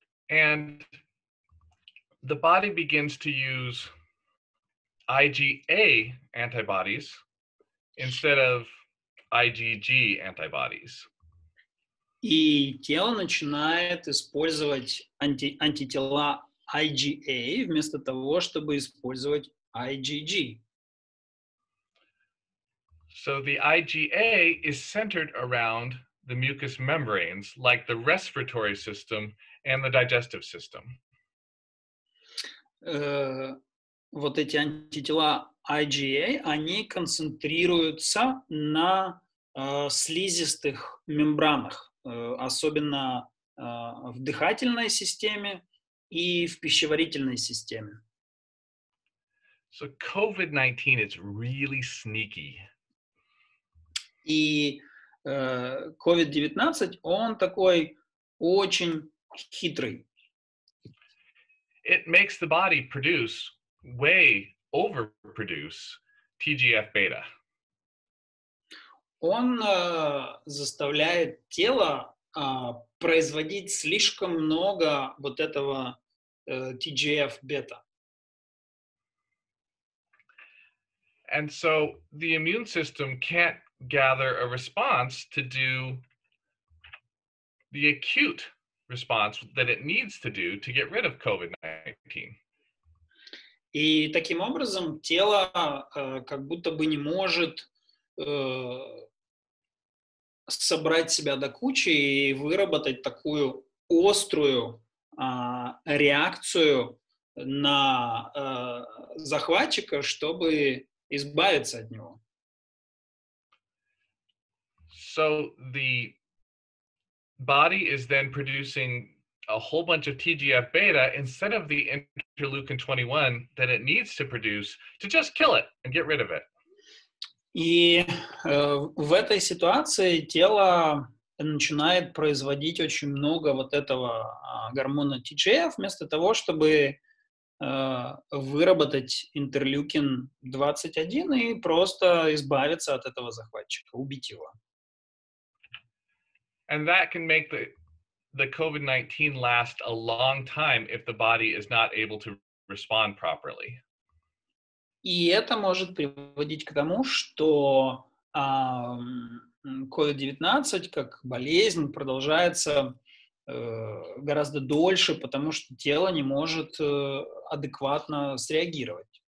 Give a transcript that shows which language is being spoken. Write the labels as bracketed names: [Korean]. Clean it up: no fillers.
[English] And the body begins to use IgA antibodies instead of IgG antibodies. [Russian] И тело начинает использовать антитела IgA вместо того, чтобы использовать IgG. [English] So the IgA is centered around the mucous membranes, like the respiratory system and the digestive system. [Russian] Вот эти антитела IgA, они концентрируются на слизистых мембранах, особенно в дыхательной системе и в пищеварительной системе. [English] So COVID-19 is really sneaky. [Russian] И COVID-19, он такой очень хитрый. [English] It makes the body produce, way overproduce TGF-beta. [Russian] Он заставляет тело производить слишком много вот этого TGF-бета. [English] And so the immune system can't gather a response to do the acute response that it needs to do to get rid of COVID-19. [Russian] И таким образом тело как будто бы не может собрать себя до кучи и выработать такую острую реакцию на захватчика, чтобы избавиться от него. [English] So the body is then producing a whole bunch of TGF-beta instead of the interleukin-21 that it needs to produce to just kill it and get rid of it. [Russian] И в этой ситуации тело начинает производить очень много вот этого гормона TGF вместо того, чтобы выработать интерлюкин-21 и просто избавиться от этого захватчика, убить его. [English] And that can make the COVID-19 last a long time if the body is not able to respond properly. [Russian] И это может приводить к тому, что COVID-19 как болезнь продолжается гораздо дольше, потому что тело не может адекватно среагировать.